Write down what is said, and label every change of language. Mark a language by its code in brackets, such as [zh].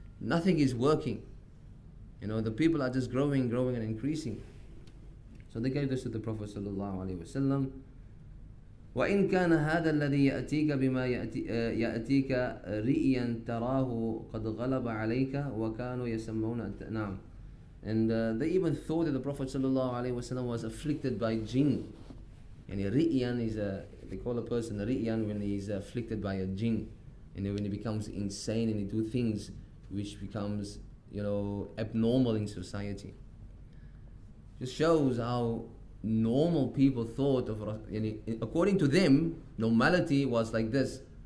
[en] Nothing is working. You know, the people are just growing, growing and increasing. So they gave this to the Prophet sallallahu alaihi wasallam. [ar] وَإِنْ كَانَ هَذَا الَّذِي يَأْتِيكَ بِمَا يَأْتِيكَ رِئِيًا تَرَاهُ قَدْ غَلَبَ عَلَيْكَ وَكَانُوا يَسَمَّوْنَ نَعْمُ [en] And they even thought that the Prophet sallallahu alaihi wasallam was afflicted by jinn. And a ri'yan is they call a person a ri'yan when he's afflicted by a jinn. And then when he becomes insane and he do things which becomes, you know, abnormal in society. Just shows how normal people thought of, according to them, normality was like this.